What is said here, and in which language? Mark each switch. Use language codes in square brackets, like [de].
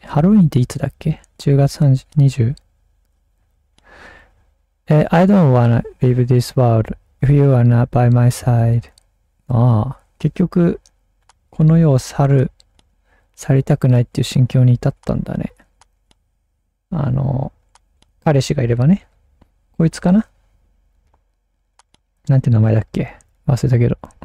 [ja] ハロウィンっていつだっけ ?10 月30、20? [en] I don't wanna leave this world if you are not by my side. [ja] ああ、結局、この世を去りたくないっていう心境に至ったんだね。彼氏がいればね。こいつかな? なんて名前だっけ?忘れたけど。